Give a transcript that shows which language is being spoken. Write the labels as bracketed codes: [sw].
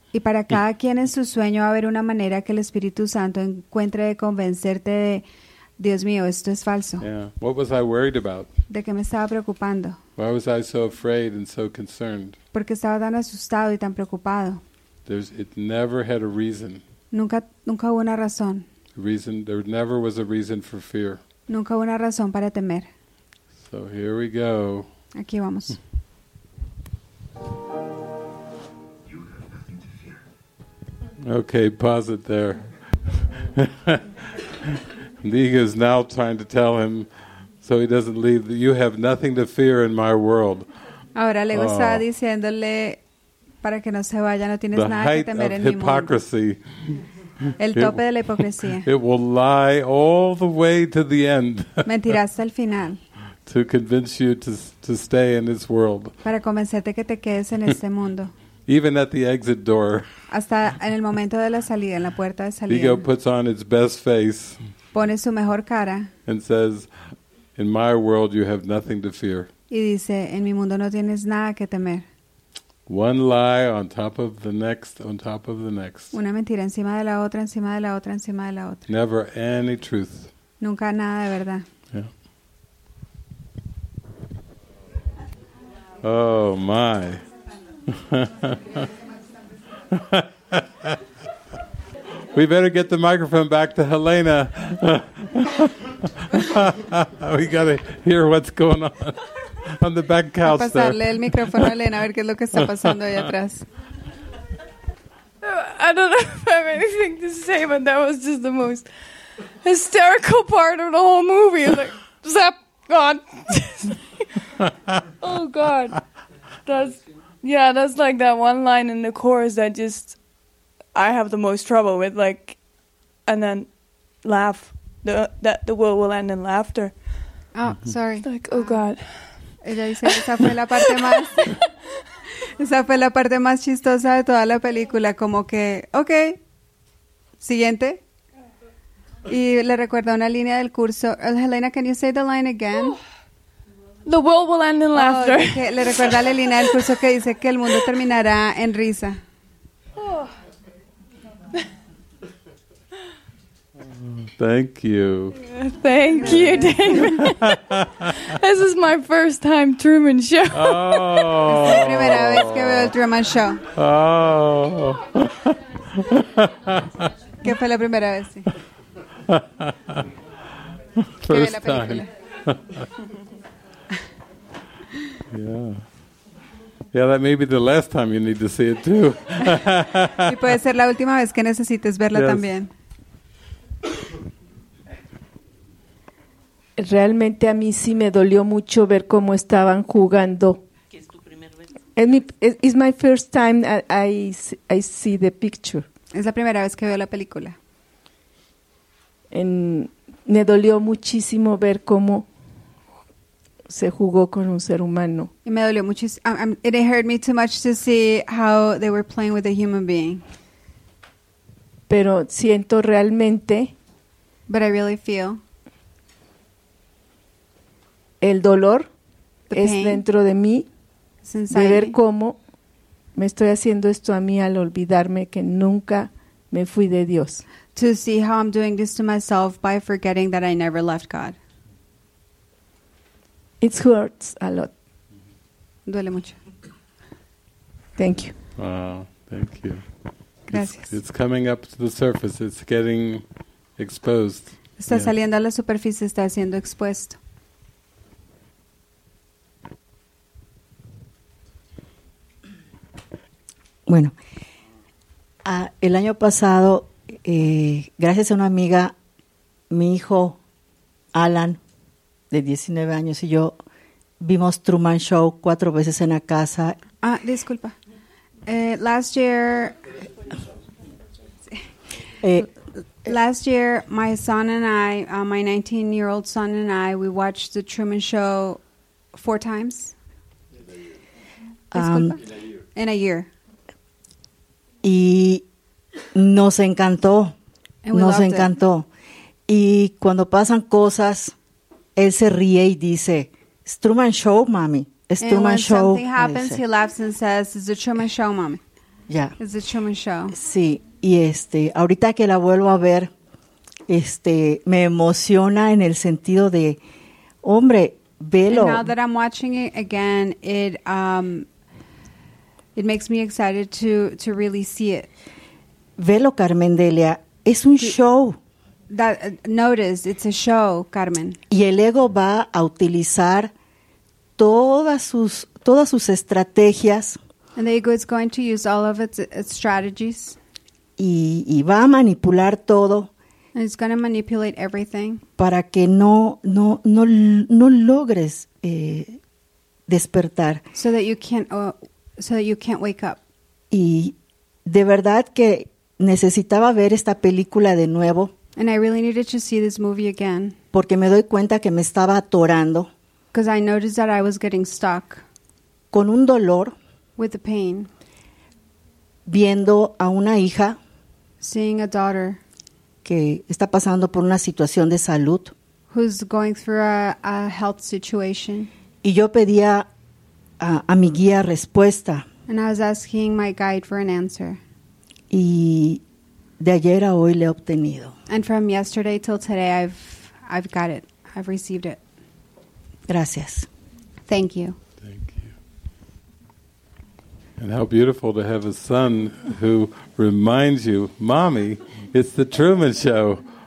[es] Y para cada quien en su sueño va a haber una manera que el Espíritu Santo encuentre de convencerte de, Dios mío, esto es falso. [en] Yeah. What was I worried about? [es] ¿De qué me estaba preocupando? [en] Why was I so afraid and so concerned? [es] Porque estaba tan asustado y tan preocupado. [en] It never had a reason. [es] Nunca hubo una razón. [en] Reason, there never was a reason for fear. [es] Nunca hubo una razón para temer. [en] So here we go. [es] Aquí vamos. [en] Okay, pause it there. Liga is now trying to tell him so he doesn't leave. You have nothing to fear in my world. [es] Ahora Lego está diciéndole para que no se vaya, no tienes nada que temer en mi mundo. [en] The height of hypocrisy. [es] El tope de la hipocresía. [en] It will lie all the way to the end. [es] Mentirá hasta el final. [en] To convince you to stay in this world. [es] Para convencerte que te quedes en este mundo. [en] Even at the exit door. [es] Hasta en el momento de la salida, en la puerta de salida. [en] Ego puts on its best face. [es] Pone su mejor cara. [en] And says, "In my world, you have nothing to fear." [es] Y dice, en mi mundo no tienes nada que temer. [en] One lie on top of the next, on top of the next. [es] Una mentira encima de la otra, encima de la otra, encima de la otra. [en] Never any truth. [es] Nunca nada de verdad. [en] Yeah. Oh my. We better get the microphone back to Helena. We gotta hear what's going on the back couch there. [es] Pasarle el micrófono a Helena a ver qué es lo que está pasando allá atrás. [en] I don't have anything to say, but that was just the most hysterical part of the whole movie. Like, zap, gone. Oh God, that's. Yeah, that's like that one line in the chorus that just I have the most trouble with, like, and then laugh. The world will end in laughter. Oh, sorry. It's like, oh God. [es] Ella dice que esa fue la parte más esa fue la parte más chistosa de toda la película, como que, okay. Siguiente. Y le recuerda una línea del curso. [en] Helena, can you say the line again? The world will end in laughter. Oh, okay. [es] Le recuerda a Lelina el curso que dice que el mundo terminará en risa. [en] Thank you. Thank you, David. This is my first time Truman Show. Oh. [es] Es la primera vez que veo el Truman Show. Oh. ¿Qué fue la primera vez? Sí. [en] First time. Yeah, that may be the last time you need to see it too. [es] Y puede ser la última vez que necesites verla también. Realmente a mí sí me dolió mucho ver cómo estaban jugando. [en] It's my first time I see the picture. [es] Es la primera vez que veo la película. Me dolió muchísimo ver cómo se jugó con un ser humano. Y me dolió [en] it hurt me too much to see how they were playing with a human being. [es] Pero siento realmente. [en] But I really feel. [es] El dolor es dentro de mí. De ver cómo me estoy haciendo esto a mí al olvidarme que nunca me fui de Dios. [en] To see how I'm doing this to myself by forgetting that I never left God. It hurts a lot. [es] Duele mucho. [en] Thank you. Wow, thank you. [es] Gracias. [en] It's coming up to the surface. It's getting exposed. [es] Está saliendo a la superficie, está siendo expuesto. Bueno, el año pasado, gracias a una amiga, mi hijo Alan, de 19 años, y yo vimos Truman Show 4 veces en la casa. Ah, disculpa. [en] Last year, my son and I, my 19-year-old son and I, we watched the Truman Show 4 times. In a year. [es] Y nos encantó, nos encantó. Y cuando pasan cosas, él se ríe y dice, [en] "It's Truman Show, [es] mami. [en] It's Truman Show." Something happens, he laughs and says, "It's the Truman Show, mami." Yeah. "It's the Truman Show." [es] Sí. Y ahorita que la vuelvo a ver, me emociona en el sentido de, hombre, velo. [en] And now that I'm watching it again, it makes me excited to really see it. [es] Velo, Carmen Delia. Es un show. [en] Notice, it's a show, Carmen. [es] Y el ego va a utilizar todas sus estrategias. [en] And the ego is going to use all of its strategies. [es] Y va a manipular todo. [en] And it's going to manipulate everything. [es] Para que no logres despertar. [en] So that you can't wake up. [es] Y de verdad que necesitaba ver esta película de nuevo. [en] And I really needed to see this movie again. [es] Porque me doy cuenta que me estaba atorando. [en] Because I noticed that I was getting stuck. [es] Con un dolor. [en] With the pain. [es] Viendo a una hija. [en] Seeing a daughter. [es] Que está pasando por una situación de salud. [en] Who's going through a health situation. [es] Y yo pedía a mi guía respuesta. [en] And I was asking my guide for an answer. [es] Y de ayer a hoy le he obtenido. [en] And from yesterday till today, I've got it. I've received it. [es] Gracias. [en] Thank you. Thank you. And how beautiful to have a son who reminds you, "Mommy, it's the Truman Show."